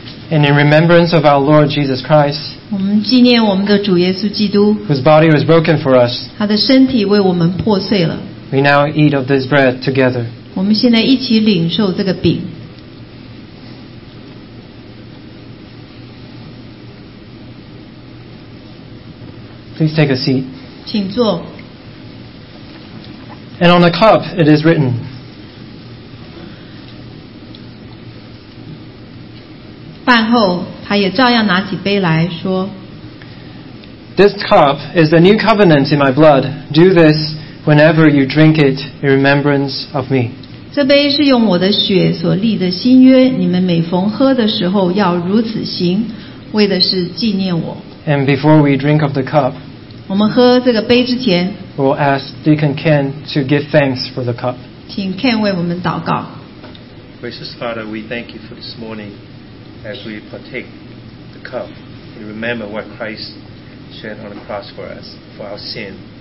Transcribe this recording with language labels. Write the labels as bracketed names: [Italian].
[English] And in remembrance of our Lord Jesus Christ, [Chinese] 我们纪念我们的主耶稣基督。 [English] Whose body was broken for us. [Chinese] 他的身体为我们破碎了。 [English] We now eat of this bread together. [Chinese] 我们现在一起领受这个饼。 [English] Please take a seat. [Chinese] 请坐。 [English] And on the cup it is written. [Chinese] 饭后他也照样拿起杯来说 [English] This cup is the new covenant in my blood. Do this whenever you drink it in remembrance of me. [Chinese] 这杯是用我的血所立的新约，你们每逢喝的时候要如此行，为的是纪念我。 [English] And before we drink of the cup, [Chinese] 我们喝这个杯之前 [English] we'll ask Deacon Ken to give thanks for the cup. [Chinese] 请 Ken 为我们祷告。 [English] Gracious Father, we thank you for this morning. As we partake the cup, we remember what Christ shed on the cross for us, for our sin.